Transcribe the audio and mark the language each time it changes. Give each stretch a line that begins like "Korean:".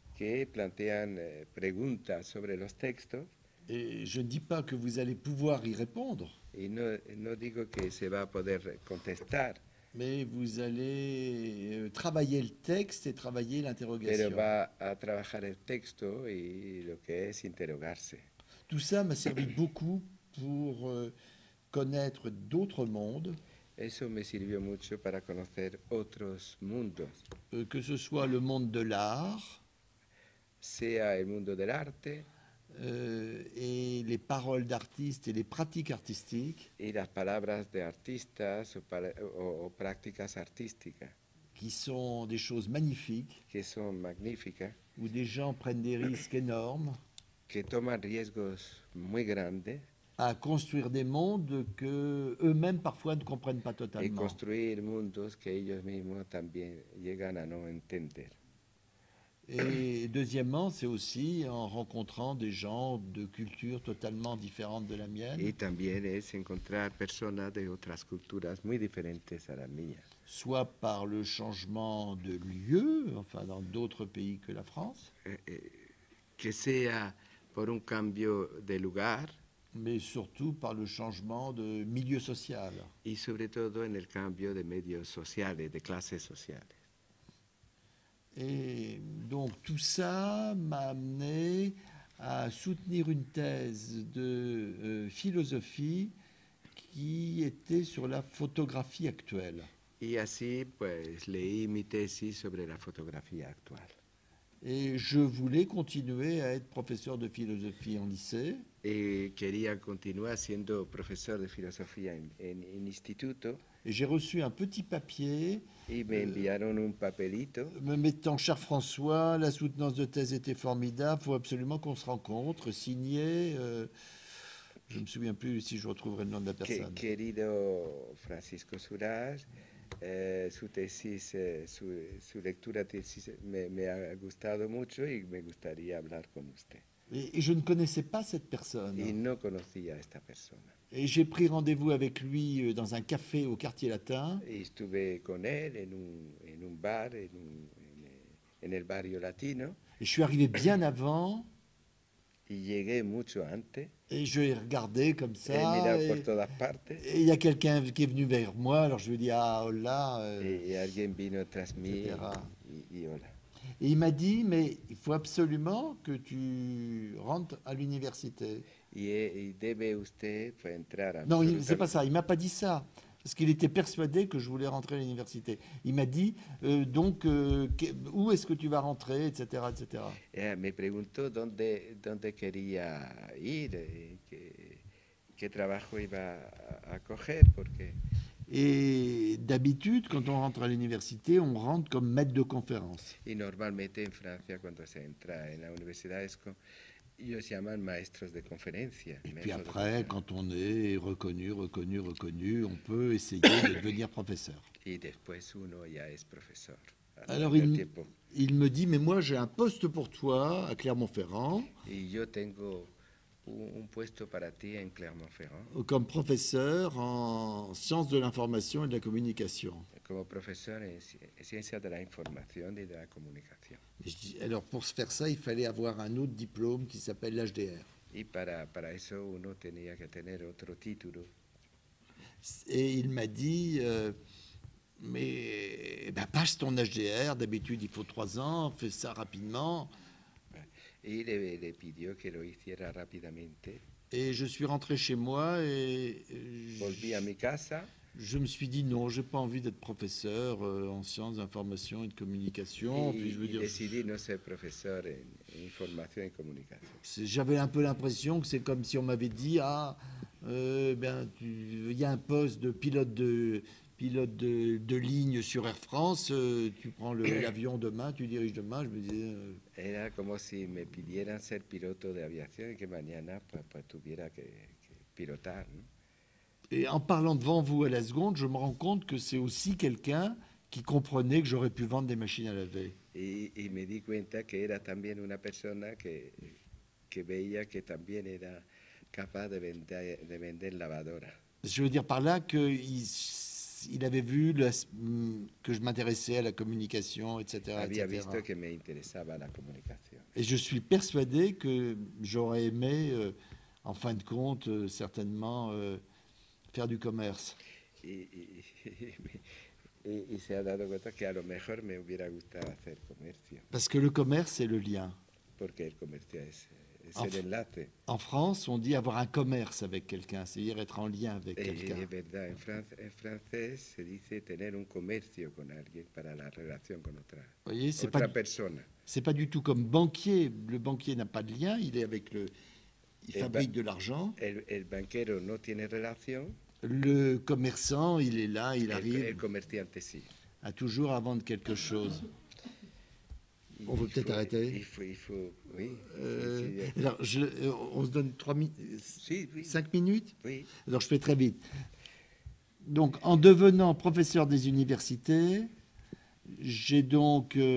French: Qui
Spanish: plantean preguntas
French: sur les textes. Et je ne dis pas que vous allez pouvoir y répondre. Et non, je dis que se va pouvoir contester. Mais vous allez travailler le texte et travailler l'interrogation.
Spanish: Pero va a trabajar el texto y lo que es interrogarse.
French: Tout ça m'a servi beaucoup pour connaître d'autres mondes.
Spanish: Eso me sirvió mucho para conocer otros mundos.
French: Que ce soit le monde de l'art,
Spanish: sea el mundo del arte,
French: et les paroles d'artistes et les pratiques artistiques.
Spanish: Y las palabras de artistas o prácticas artísticas.
French: Qui sont des choses magnifiques.
Spanish: Que son magníficas.
French: Où des gens prennent des risques énormes.
Spanish: Que toman riesgos muy grandes.
French: À construire des mondes que eux-mêmes parfois ne comprennent pas totalement.
Spanish: Y construir mundos que ellos mismos también llegan a no entender.
French: Et deuxièmement, c'est aussi en rencontrant des gens de cultures totalement différentes de la mienne.
Spanish: Y también es encontrar personas de otras culturas muy diferentes a la mía.
French: Soit par le changement de lieu, enfin dans d'autres pays que la France.
Spanish: Que sea por un cambio de lugar.
French: Mais surtout par le changement de milieu social.
Spanish: Y sobre todo en el cambio de medios sociales, de clases sociales.
French: Et donc tout ça m'a amené à soutenir une thèse de philosophie qui était sur la photographie actuelle.
Spanish: Y así pues leí mi tesis sobre la fotografía actual.
French: Et je voulais continuer à être professeur de philosophie en lycée.
Spanish: Et quería continuar siendo profesor de filosofía en instituto.
French: Et j'ai reçu un petit papier.
Spanish: Y me enviaron un papelito.
French: Me mettant, cher François, la soutenance de thèse était formidable. Il faut absolument qu'on se rencontre. Signé. Je ne me souviens plus si je retrouverai le nom de la personne.
Spanish: Querido Francisco Suraj, su tesis, su lectura tesis me ha gustado mucho y me gustaría hablar con usted.
French: Et je ne connaissais pas cette personne.
Spanish: Y no conocía esta persona.
French: Et j'ai pris rendez-vous avec lui dans un café au quartier latin.
Spanish: Y estuve con él en un bar, en el barrio latino.
French: Et je suis arrivé bien avant.
Spanish: Y llegué mucho antes.
French: Et je l'ai regardé comme ça.
Spanish: Por todas partes.
French: Et il y a quelqu'un qui est venu vers moi, alors je lui ai dit, ah, hola.
Spanish: Y alguien vino tras mí, y hola.
French: Et il m'a dit, mais il faut absolument que tu rentres à l'université. Il devait usted pour entrer à l'université. Non, c'est pas ça. Il m'a pas dit ça parce qu'il était persuadé que je voulais rentrer à l'université. Il m'a dit où est-ce que tu vas rentrer, etc., etc.
Spanish: Me preguntó dónde quería ir, qué trabajo iba a coger, porque.
French: Et d'habitude, quand on rentre à l'université, on rentre comme maître de conférence.
Spanish: Y normalmente en Francia cuando se entra en la universidad es como ellos llaman maestros de conferencia.
French: Et puis après, quand on est reconnu, on peut essayer de devenir professeur.
Spanish: Y después uno ya es profesor.
French: Alors il me dit, mais moi j'ai un poste pour toi à Clermont-Ferrand.
Spanish: Y yo tengo un puesto para ti en Clermont-Ferrand.
French: Comme professeur en sciences de l'information et de la communication.
Spanish: Como profesor en ciencias de la información y de la comunicación.
French: Alors pour faire ça, il fallait avoir un autre diplôme qui s'appelle l'HDR.
Spanish: Y para eso uno tenía que tener otro título.
French: Et il m'a dit, mais passe ton HDR, d'habitude il faut 3 ans, fais ça rapidement.
Spanish: Y le pidió que lo hiciera rápidamente.
French: Et je suis rentré chez moi et
Spanish: volví a mi casa.
French: Je me suis dit non, j'ai pas envie d'être professeur en sciences d'information et de communication.
Spanish: Decidí no ser profesor en información y comunicación.
French: J'avais un peu l'impression que c'est comme si on m'avait dit il y a un poste de pilote de ligne sur Air France, tu prends l'avion demain, tu diriges demain. Je me disais.
Spanish: Era como si me pidieran ser piloto de aviación y que mañana pues tuviera que pilotar. ¿No?
French: Et en parlant devant vous à la seconde, je me rends compte que c'est aussi quelqu'un qui comprenait que j'aurais pu vendre des machines à laver.
Spanish: Y me di cuenta que era también una persona que veía que también era capaz de vender lavadora.
French: Je veux dire par là que il avait vu que je m'intéressais à la communication, etc.
Spanish: Había visto que me interesaba la comunicación.
French: Et je suis persuadé que j'aurais aimé, en fin de compte, certainement, faire du commerce.
Spanish: Et se ha dado cuenta que a lo mejor me hubiera gustado hacer comercio.
French: Parce que le commerce, c'est le lien.
Spanish: Porque el comercio es, es en, el enlace.
French: En France, on dit avoir un commerce avec quelqu'un, c'est-à-dire être en lien avec quelqu'un.
Spanish: Es verdad, en, France, en francés se dice tener un comercio con alguien para la relación con otra,
French: voyez, c'est
Spanish: otra
French: pas,
Spanish: persona.
French: C'est pas du tout comme banquier. Le banquier n'a pas de lien, il est avec le... Il fabrique de l'argent.
Spanish: El banquero no tiene relación.
French: Le commerçant, il est là, il arrive.
Spanish: El comerciante, sí.
French: A toujours à vendre quelque chose. On veut peut-être arrêter. Il faut, oui. Alors, on se donne 5 minutes. Oui. Alors, je fais très vite. Donc, en devenant professeur des universités, j'ai donc...